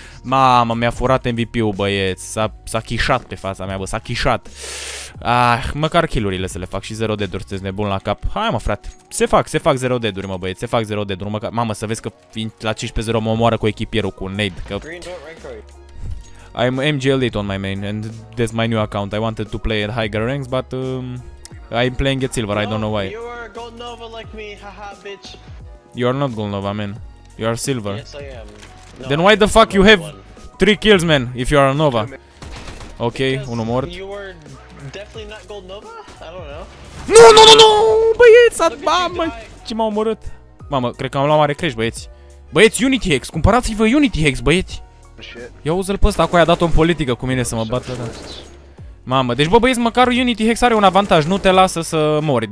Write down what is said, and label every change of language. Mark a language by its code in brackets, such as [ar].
[ro] Mamă, mi-a furat MVP-ul, băieți, s-a chișat pe fața mea, bă, s-a chișat. Ah, măcar kill-urile să le fac și 0 dead-uri, sunt nebun la cap. Hai mă, frate, se fac 0 dead-uri, mă, băieți, se fac 0 dead-uri, măcar, mamă, să vezi că la 15-0 mă omoară cu echipierul, cu nade, că... [en] I'm MGL8 on my main, and that's my new account. I wanted to play at higher ranks, but I'm playing at silver, no, I don't know why. You are gold nova like me, haha, bitch. You are not gold nova, man. You are silver. Yes, I am. No, then why the fuck you have 3 kills, man, if you are a nova? Okay, uno mort. You are definitely not gold nova? I don't know. [ro] No, băieți, mamă, ce m-a omorât. Mamă, cred că am luat mare crash, băieți. Băieți, Unity Hex, cumpărați-vă Unity Hex, băieți. Ia uză-l pe ăsta, acolo i-a dat-o în politică cu mine să mă bată, da. Mamă, deci bă, băieți, măcar Unity Hex are un avantaj, nu te lasă să mori.